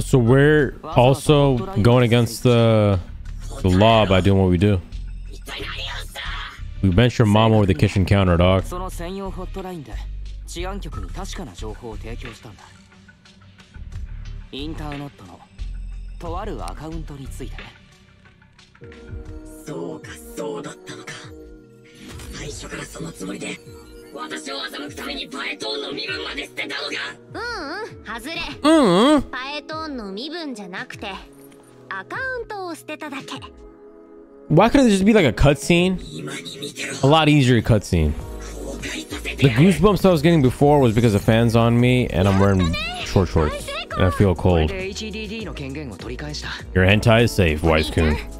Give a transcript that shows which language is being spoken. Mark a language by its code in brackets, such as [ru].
[en] so we're also going against the law by doing what we do. We bent your mom over the kitchen counter, dog. [ja] その専用ホットラインで治安局に確かな情報を提供したんだ。インターネットのとある赤ウントについてね。そうか、そうだったのか。最初からそのつもりで私を欺くためにパエトーンの身分まで捨てたのか。うん、外れ。うん、パエトーンの身分じゃなくてアカウントを捨てただけ。 [en] Why couldn't it just be like a cutscene? The goosebumps I was getting before was because the fan's on me and I'm wearing short shorts and I feel cold. Your anti is safe, Wisecoon.